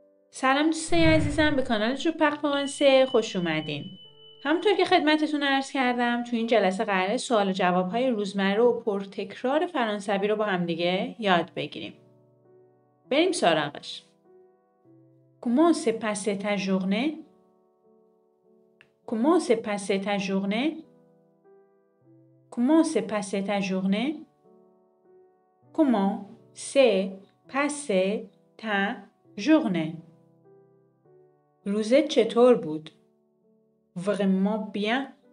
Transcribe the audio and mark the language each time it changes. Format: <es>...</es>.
<fa>سلام دوستان عزیزم، به کانال جو پخ فرانسه خوش اومدین. همونطور که خدمتتون عرض کردم تو این جلسه قراره سوال و جواب‌های روزمره و پرتکرار فرانسوی رو با هم دیگه یاد بگیریم. بریم سراغش.</fa> <fr>Comment s'est passée ta journée? Comment s'est passée ta journée? Comment s'est passée ta journée? Comment s'est passée ta journée?</fr> <fa>روزت چطور بود؟</fa> <fr>Vraiment bien.</fr>